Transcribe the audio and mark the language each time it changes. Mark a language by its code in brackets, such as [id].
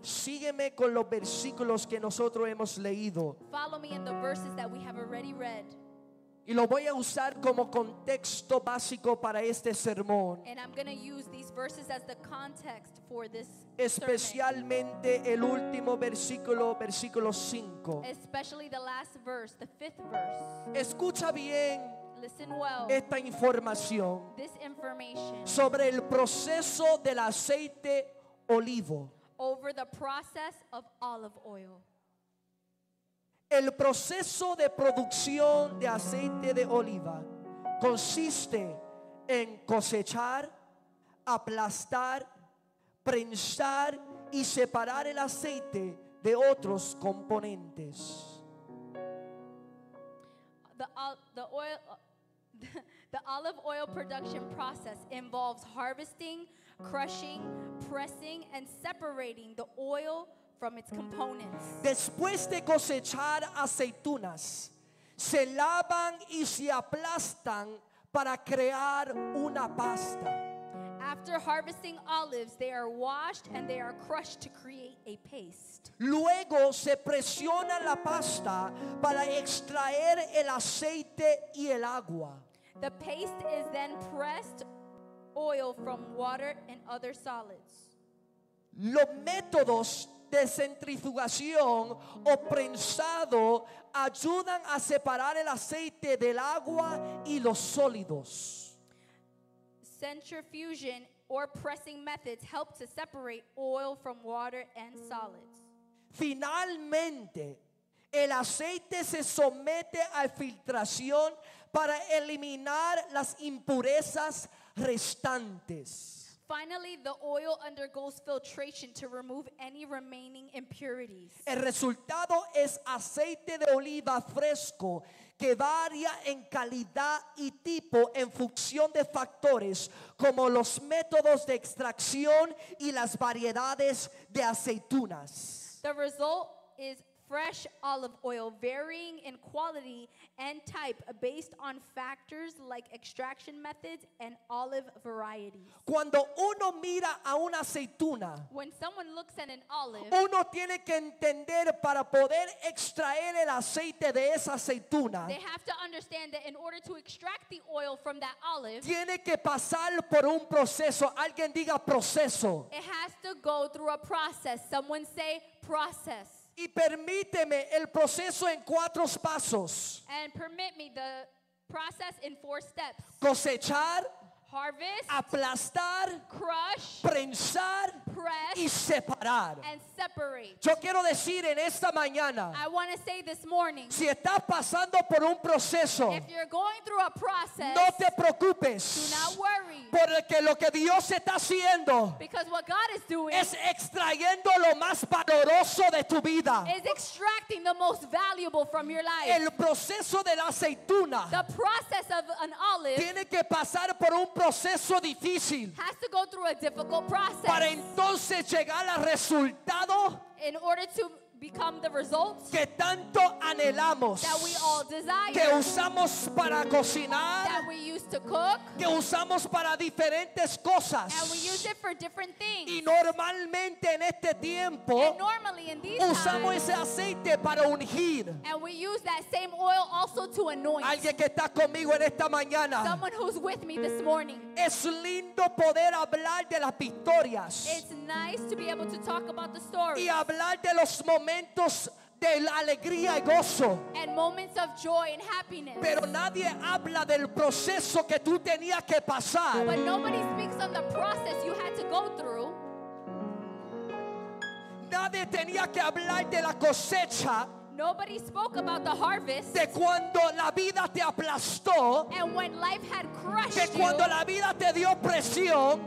[es] Sígueme con los versículos que nosotros hemos leído. [en] Follow me in the verses that we have already read. [es] Y lo voy a usar como contexto básico para este sermón. [en] And I'm going to use these verses as the context for this sermon. [es] Especialmente el último versículo, versículo 5. [en] Especially the last verse, the fifth verse. [es] Escucha bien. [en] Listen well. [es] Esta información. [en] This information. [es] Sobre el proceso del aceite olivo. [en] Over the process of olive oil. [es] El proceso de producción de aceite de oliva consiste en cosechar, aplastar, prensar y separar el aceite de otros componentes. [en] The olive oil production process involves harvesting, crushing, pressing, and separating the oil from its components. [es] Después de cosechar aceitunas, se lavan y se aplastan para crear una pasta. [en] After harvesting olives, they are washed and they are crushed to create a paste. [es] Luego se presiona la pasta para extraer el aceite y el agua. [en] The paste is then pressed oil from water and other solids. [es] Los métodos de centrifugación o prensado ayudan a separar el aceite del agua y los sólidos. [en] Centrifugation or pressing methods help to separate oil from water and solids. [es] Finalmente, el aceite se somete a filtración para eliminar las impurezas restantes. [en] Finally, the oil undergoes filtration to remove any remaining impurities. [es] El resultado es aceite de oliva fresco que varía en calidad y tipo en función de factores como los métodos de extracción y las variedades de aceitunas. [en] The result is fresh olive oil varying in quality and type based on factors like extraction methods and olive varieties. [es] Cuando uno mira a una aceituna, [en] when someone looks at an olive, [es] uno tiene que entender para poder extraer el aceite de esa aceituna, [en] they have to understand that in order to extract the oil from that olive, [es] tiene que pasar por un proceso. Alguien diga proceso. [en] It has to go through a process. Someone say process. [es] Y permíteme el proceso en cuatro pasos. [en] And permit me the process in four steps. [es] Cosechar, [en] harvest, [es] aplastar, [en] crush, [es] prensar, [en] press, [es] y separar. [en] And separate. [es] Yo quiero decir en esta mañana, [en] I want to say this morning, [es] si estás pasando por un proceso, [en] if you're going through a process, [es] no te preocupes. [en] Do not worry. [es] Porque lo que Dios está haciendo, [en] because what God is doing, [es] es extrayendo lo más valoroso de tu vida. [en] Is extracting the most valuable from your life. [es] El proceso de la aceituna, [en] the process of an olive, [es] tiene que pasar por un proceso difícil, [en] has to go through a difficult process, [es] para entonces llegar al resultado, [en] in order to become the result, [es] que tanto anhelamos, [en] that we all desire, [es] que usamos para cocinar, [en] that we use to cook, [es] que usamos para diferentes cosas, [en] and we use it for different things. [es] Y normalmente en este tiempo, [en] and normally in these [es] usamos [en] times, [es] ese aceite para ungir, [en] and we use that same oil also to anoint. [es] Alguien que está conmigo en esta mañana, [en] someone who's with me this morning. [es] Es lindo poder hablar de las victorias, [en] it's nice to be able to talk about the stories, [es] y hablar de los momentos de alegría y gozo, [en] and moments of joy and happiness. [es] Pero nadie habla del proceso que tú tenías que pasar. [en] But nobody speaks on the process you had to go through. [es] Nadie tenía que hablar de la cosecha. [en] Nobody spoke about the harvest. [es] De cuando la vida te aplastó. [en] And when life had crushed you. [es] De cuando la vida te dio presión.